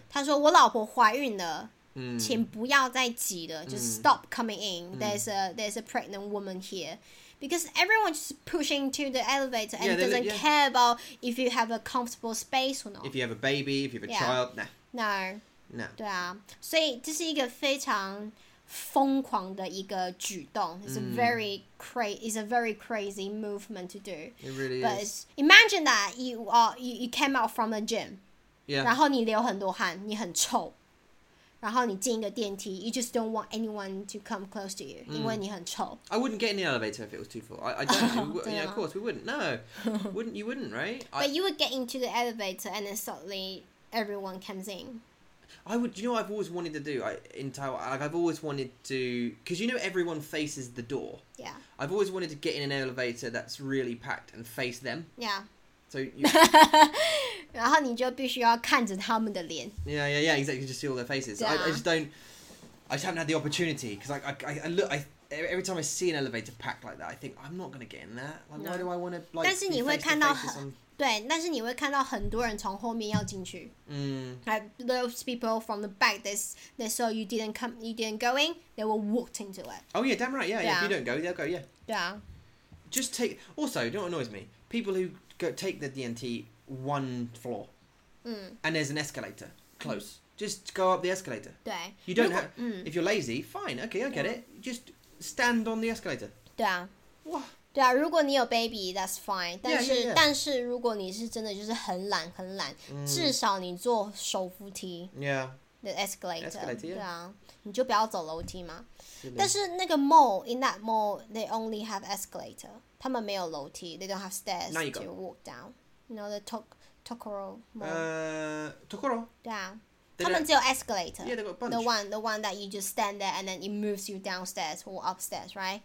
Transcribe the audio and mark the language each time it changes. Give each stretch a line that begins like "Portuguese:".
Chinese: 他说我老婆怀孕了。请不要再挤了,
English: just stop coming in. There's a pregnant woman here. Because everyone's pushing to the elevator and doesn't care about if you have a comfortable space or not. If you have a baby, if you have a child, nah. No. No.
Chinese: 对啊，所以这是一个非常疯狂的一个举动。
English: It's a very crazy, it's a very crazy movement to do. It really but is. But imagine that you came out from the gym. Yeah.
Chinese: 然后你流很多汗，你很臭。然后你进一个电梯 ，
English: you just don't want anyone to come close to you，
Chinese: 因为你很臭。
English: I wouldn't get in the elevator if it was too full. I don't. Yeah, you know, of course we wouldn't. No, wouldn't you? Wouldn't right? But you would get into the elevator, and then suddenly everyone comes in. I would. You know, what I've always wanted to do. I've always wanted to, because you know everyone faces the door. Yeah. I've always wanted to get in an elevator that's really packed and face them. Yeah. So, you...
Chinese: 然后你就必须要看着他们的脸。
English: Yeah, exactly. Just see all their faces. Yeah. I just haven't had the opportunity because every time I see an elevator packed like that, I think I'm not going to get in that. Like, no. Why do I want to?
Chinese: 但是你会看到很对，但是你会看到很多人从后面要进去。
English: Like those people from the back, they saw you didn't come, you didn't go in, they were walked into it. Oh yeah, damn right. Yeah. If you don't go, they'll go. Yeah. Yeah. Just take. Also, don't annoy me. People who. Go take the DNT one floor, and there's an escalator close. Just go up the escalator.
Chinese: 对
English: You don't have. If you're lazy, fine. Okay, I get it. Just stand on the escalator.
Chinese: 对啊。哇。对啊，如果你有 baby,
English: that's fine.
Chinese: 但是
English: yeah.
Chinese: 但是如果你是真的就是很懒很懒，至少你坐手扶梯。
English: Yeah. The escalator. Escalator. Yeah.
Chinese: 对啊，你就不要走楼梯嘛。但是那个
English: mall in that mall they only have escalator.
Chinese: 他们没有楼梯
English: they don't have stairs to walk down. You know, the Tokoro mall. Tokoro?
Chinese: Yeah. 他们只有 escalator.
English: Yeah, they've got a bunch. The one that you just stand there and then it moves you downstairs or upstairs, right?